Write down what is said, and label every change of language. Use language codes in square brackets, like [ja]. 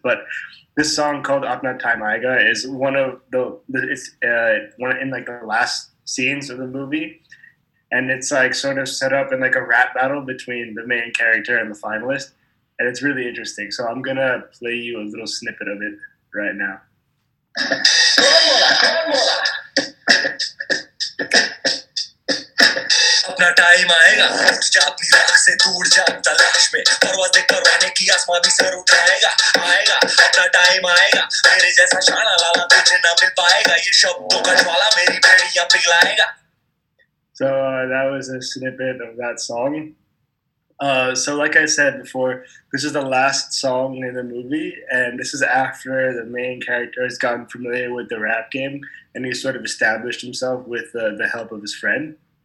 [en] But this song called "Apna Time Aayega" is one of the last scenes of the movie, and it's like sort of set up in like a rap battle between the main character and the finalist, and it's really interesting. So I'm gonna play you a little snippet of it right now. [hi] अपना time आएगा उठ जा अपनी राख से दूर जा तलाश में परवाज़े करवाने की आसमान भी सर उठाएगा आएगा अपना टाइम आएगा मेरे जैसा शाना लाला तुझे ना मिल पाएगा ये शब्दों का ज्वाला मेरी भेड़िया पिघलाएगा. [en] So that was a snippet of that song. So like I said before, this is the last song in the movie, and this is after the main character has gotten familiar with the rap game, and he's sort of established himself with the help of his friend.